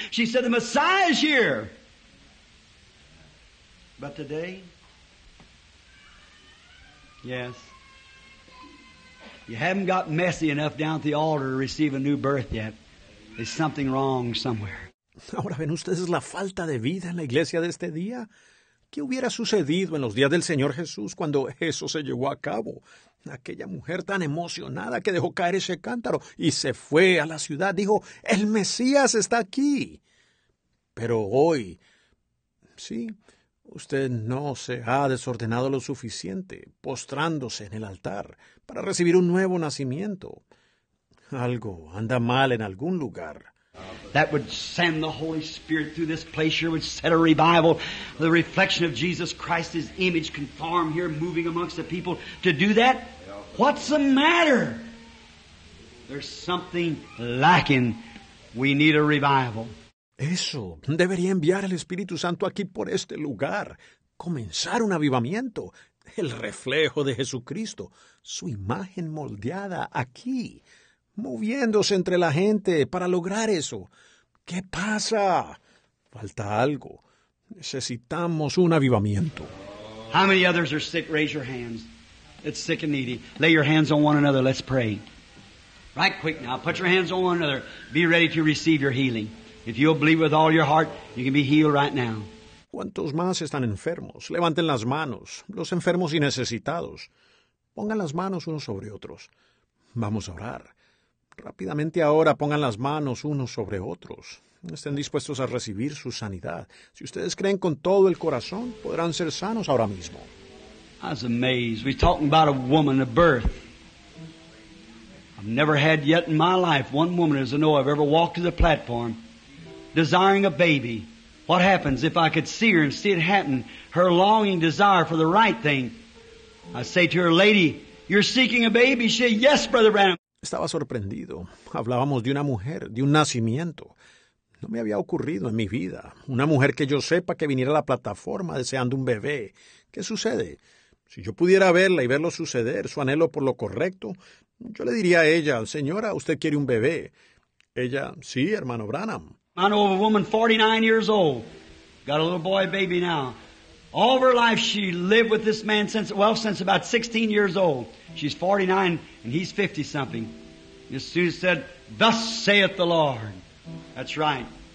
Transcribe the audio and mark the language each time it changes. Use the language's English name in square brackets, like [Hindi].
[English] She said, the Messiah is here. But today, yes, you haven't got messy enough down at the altar to receive a new birth yet. There's something wrong somewhere. [Spanish] Ahora ven ustedes la falta de vida en la iglesia de este día. ¿Qué hubiera sucedido en los días del Señor Jesús cuando eso se llevó a cabo? Aquella mujer tan emocionada que dejó caer ese cántaro y se fue a la ciudad. Dijo, el Mesías está aquí. Pero hoy, sí, usted no se ha desordenado lo suficiente, postrándose en el altar para recibir un nuevo nacimiento. Algo anda mal en algún lugar. [English] That would send the Holy Spirit through this place here, would set a revival. The reflection of Jesus Christ, His image, conform here, moving amongst the people to do that. What's the matter? There's something lacking. We need a revival. [Spanish] Eso. Debería enviar el Espíritu Santo aquí por este lugar. Comenzar un avivamiento. El reflejo de Jesucristo. Su imagen moldeada aquí. Moviéndose entre la gente para lograr eso. ¿Qué pasa? Falta algo. Necesitamos un avivamiento. [English] How many others are sick? Raise your hands. It's sick and needy. Lay your hands on one another. Let's pray. Right quick now. Put your hands on one another. Be ready to receive your healing. If you'll believe with all your heart, you can be healed right now. [Spanish] ¿Cuántos más están enfermos? Levanten las manos. Los enfermos y necesitados. Pongan las manos unos sobre otros. Vamos a orar. Rápidamente ahora pongan las manos unos sobre otros. Estén dispuestos a recibir su sanidad. Si ustedes creen con todo el corazón, podrán ser sanos ahora mismo. [English] I was amazed. We're talking about a woman, a birth. I've never had yet in my life one woman as I know I've ever walked to the platform desiring a baby. What happens if I could see her and see it happen, her longing desire for the right thing? I say to her, lady, you're seeking a baby. She said, yes, Brother Branham. [Spanish] Estaba sorprendido. Hablábamos de una mujer, de un nacimiento. No me había ocurrido en mi vida. Una mujer que yo sepa que viniera a la plataforma deseando un bebé. ¿Qué sucede? Si yo pudiera verla y verlo suceder, su anhelo por lo correcto, yo le diría a ella, señora, usted quiere un bebé. Ella, sí, hermano Branham. [English] I know of a woman 49 years old. Got a little boy baby now. All of her life she lived with this man since about 16 years old. She's 49 and he's 50-something. Miss Susan said, thus saith the Lord. That's right.